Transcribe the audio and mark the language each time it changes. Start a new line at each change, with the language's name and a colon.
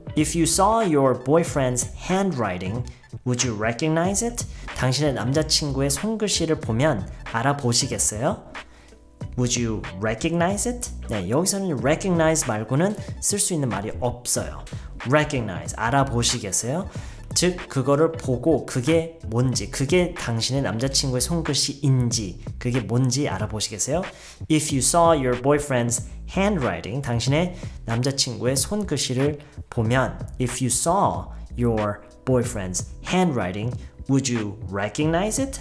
English: If you saw your boyfriend's handwriting, would you recognize it?
Korean: 당신의 남자친구의 손글씨를 보면 알아보시겠어요?
English: Would you recognize it?
Korean: 네, 여기서는 recognize 말고는 쓸 수 있는 말이 없어요. Recognize, 알아보시겠어요? 즉, 그거를 보고 그게 뭔지, 그게 당신의 남자친구의 손글씨인지, 그게 뭔지 알아보시겠어요?
English: If you saw your boyfriend's handwriting,
Korean: 당신의 남자친구의 손글씨를 보면,
English: If you saw your boyfriend's handwriting, Would you recognize it?